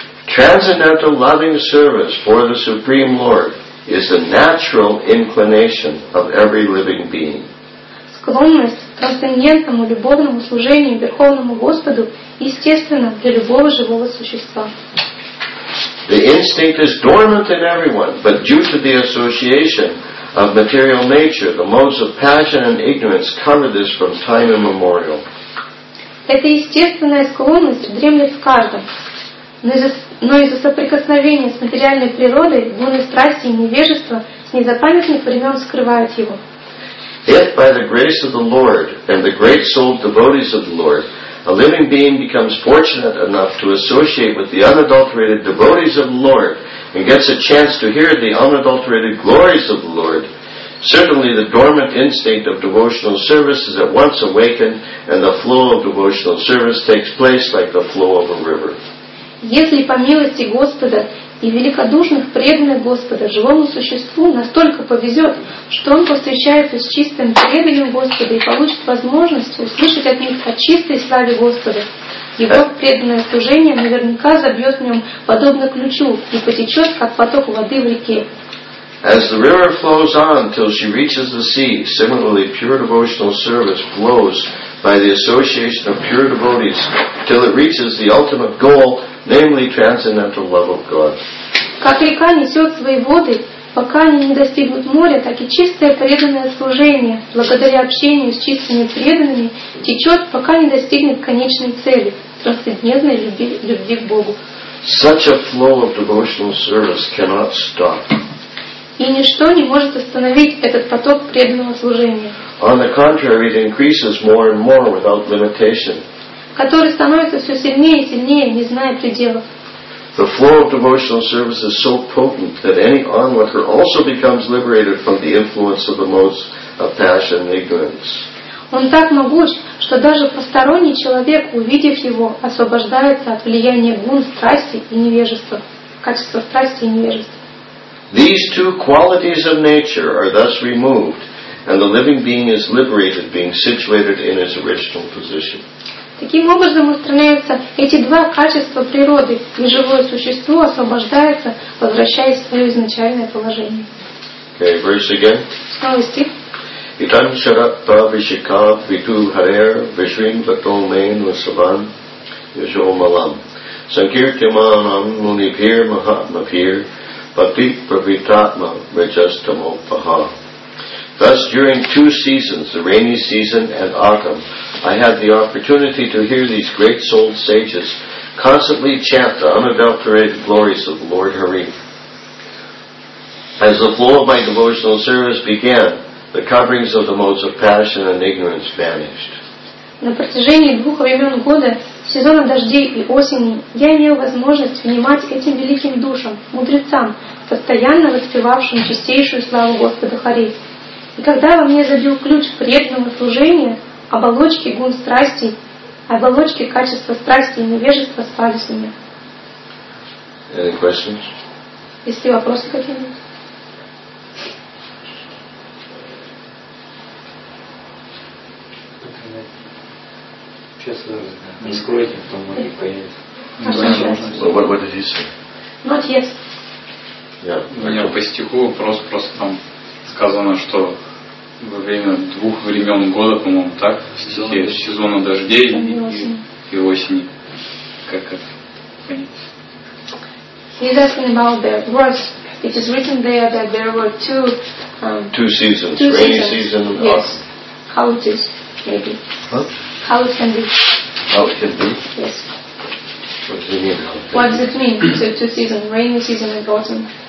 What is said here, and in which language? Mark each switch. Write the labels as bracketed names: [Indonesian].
[English] Transcendental loving service for the Supreme Lord is a natural inclination of every living being. [Russian] Склонность к трансцендентному любовному служению Верховному Господу естественна для любого живого существа. [English] The instinct is dormant in everyone, but due to the association of material nature, the modes of passion and ignorance cover this from time immemorial. [Russian] Эта естественная склонность дремлет в каждом, но из-за соприкосновения с материальной природой гуны страсти и невежества с незапамятных времен скрывают его. [English] If by the grace of the Lord and the great-souled devotees of the Lord, a living being becomes fortunate enough to associate with the unadulterated devotees of the Lord and gets a chance to hear the unadulterated glories of the Lord, certainly the dormant instinct of devotional service is at once awakened and the flow of devotional service takes place like the flow of a river. [Russian] Если по милости Господа и великодушных преданных Господа живому существу настолько повезет, что он повстречается с чистым преданным Господа и получит возможность услышать от них о чистой славе Господа, его преданное служение наверняка забьет в нем подобно ключу и потечет, как поток воды в реке. [English] As the river flows on till she reaches the sea, similarly pure devotional service flows by the association of pure devotees till it reaches the ultimate goal, namely transcendental love of God. [Russian] Как река несет свои воды, пока они не достигнут моря, так и чистое преданное служение, благодаря общению с чистыми преданными, течет, пока не достигнет конечной цели, трансцендентной любви к Богу. [English] Such a flow of devotional service cannot stop. [Russian] И ничто не может остановить этот поток преданного служения. [English] On the contrary, it increases more and more without limitation. [Russian] Который становится все сильнее и сильнее, не зная пределов. [English] The flow of devotional service is so potent that any onlooker also becomes liberated from the influence of the modes of passion and ignorance. [Russian] Он так могуч, что даже посторонний человек, увидев его, освобождается от влияния гун, страсти и невежества. Качества страсти и невежества. [English] These two qualities of nature are thus removed, and the living being is liberated, being situated in his original position. [Russian] Таким образом устраняются эти два качества природы, и живое существо освобождается, возвращаясь в свое изначальное положение. [English] Okay, verse again. [Russian] Снова стих. [Sanskrit] Итан шаратта вишика виту харер вишрин патол мейн васаван вишо малам санкиртиманам мунипир махатмапир Patit pravitatma rajastamo paha. [English] Thus, during two seasons, the rainy season and autumn, I had the opportunity to hear these great-souled sages constantly chant the unadulterated glories of the Lord Hari. As the flow of my devotional service began, the coverings of the modes of passion and ignorance vanished. [Russian] На протяжении двух времен года, сезона дождей и осени, я имел возможность внимать этим великим душам, мудрецам, постоянно воспевавшим чистейшую славу Господа Хари. И когда во мне забил ключ преданного служения, оболочки гун страсти, оболочки качества страсти и невежества спали с меня. [English] Any questions? [Russian] Есть ли вопросы какие-нибудь? Сейчас вы не скроете, потом они появятся. Вот это есть. У меня по стиху вопрос, просто там сказано, что во время двух времен года, по-моему, так, стихи сезона дождей и осени. Как это понять? [English] He's asking about the words. It is written there that there were two... two seasons. Two rainy seasons. Season. Yes. How it is, maybe. Huh? How it can be. How it can be? Yes. What does it mean? What does it mean, two seasons, rainy season and autumn?